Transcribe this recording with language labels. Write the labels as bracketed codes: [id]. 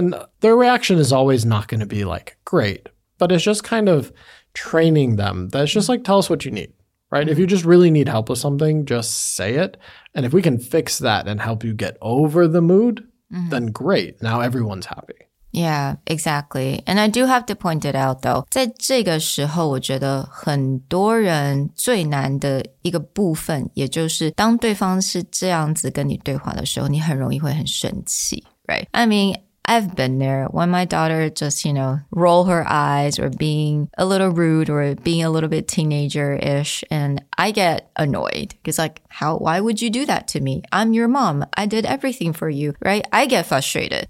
[en] And their reaction is always not going to be like great, but it's just kind of training them. That's just like, tell us what you need, right? Mm-hmm. If you just really need help with something, just say it. And if we can fix that and help you get over the mood, then great. Now everyone's happy. Yeah, exactly. And I do have to point it out, though. [zh] 在这个时候，我觉得很多人最难的一个部分，也就是当对方是这样子跟你对话的时候，你很容易会很生气 ， [en] right? I mean, I've been there when my daughter just, you know, roll her eyes or being a little rude or being a little bit teenager-ish, and I get annoyed. It's like, why would you do that to me? I'm your mom. I did everything for you, right? I get frustrated.